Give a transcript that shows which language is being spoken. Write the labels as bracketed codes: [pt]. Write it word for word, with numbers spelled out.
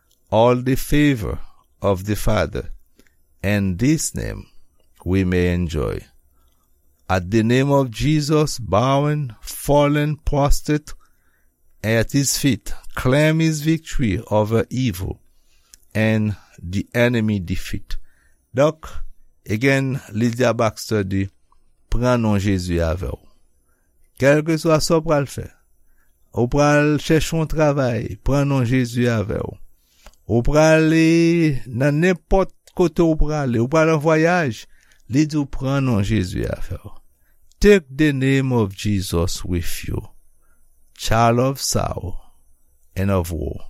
[en] All the favor of the Father, and this name we may enjoy. At the name of Jesus, bowing, fallen, prostrate, at his feet, claim his victory over evil and the enemy defeat. [ht] Donc, again, Lydia Baxter dit, pren non Jésus avec ou. Quel que soit so pral fè, ou pral chèche un travail, pren non Jésus avec ou. Ou pral lè nan n'importe kote ou pral lè, ou pral en voyage, lè di ou pren non Jésus avec ou. [en] Take the name of Jesus with you, child of sorrow and of woe.